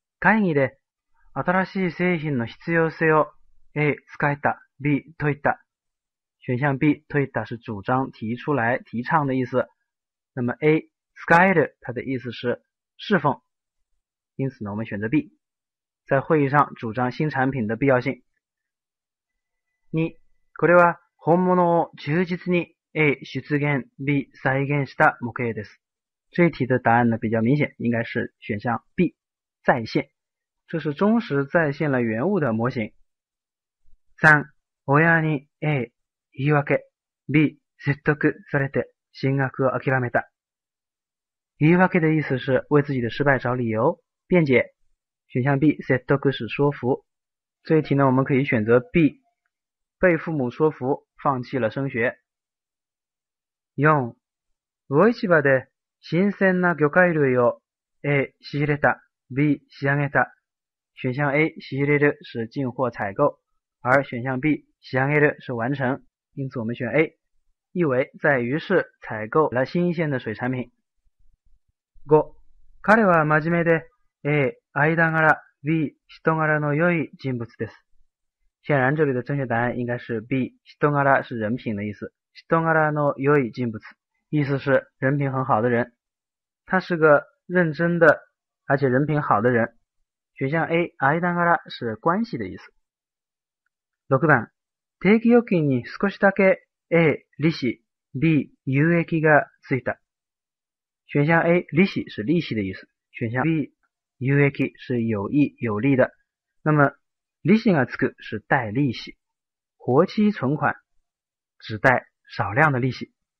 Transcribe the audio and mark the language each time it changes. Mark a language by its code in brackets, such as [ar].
[ja] 会議で新しい製品の必要性を A. 使えた B. 解いた [zh] 选项 B. 解いた是主张提出来提倡的意思那么 A. 使える它的意思是侍奉因此呢我们选择 B. 在会议上主张新产品的必要性2. [ja] これは本物を忠実に A. [zh] 出現 B. [ja] 再現した模型です [zh] 这一题的答案呢比较明显应该是选项 B. 再现这是忠实再现了原物的模型。 [ja] 3. 親に A. 言い訳 B. 説得されて進学を諦めた [zh] 言い訳的意思是为自己的失败找理由辩解选项 B. 説得是说服这一题呢我们可以选择 B. 被父母说服放弃了升学。 [ja] 4. 魚市場で新鮮な魚介類を A. 仕入れたB, 仕上げた。 [zh] 选项 A, 仕入れる是进货采购。而选项 B, 仕上げる是完成。因此我们选 A, 意为在鱼市采购了新鲜的水产品。 5. [ja] 彼は真面目で、A, 間柄、B, 人柄の良い人物です。 [zh] 显然这里的正确答案应该是 B, 人柄是人品的意思。 [ja] 人柄の良い人物。 [zh] 意思是人品很好的人。他是个认真的而且人品好的人选项 A 間柄是关系的意思6番 [ja] 定期預金に少しだけ A 利息 B 有益がついた [zh] 选项 A 利息是利息的意思选项 B 有益是有益有利的那么 [ja] 利息がつく [zh] 是带利息活期存款只带少量的利息